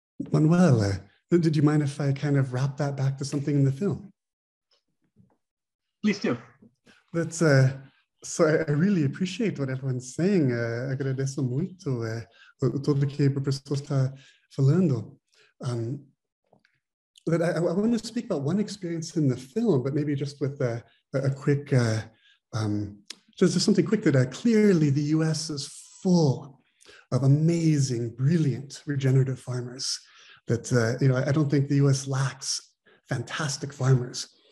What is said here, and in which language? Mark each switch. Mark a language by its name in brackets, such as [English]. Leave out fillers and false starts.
[English] Manuel, did you mind if I kind of wrap that back to something in the film? Please do. That's so I really appreciate what everyone's saying. [Portuguese] Agradeço muito tudo o que o professor está falando. [English] But I want to speak about one experience in the film, but maybe just with a quick, just something quick that clearly the U.S. is full of amazing, brilliant, regenerative farmers. That, I don't think the U.S. lacks fantastic farmers.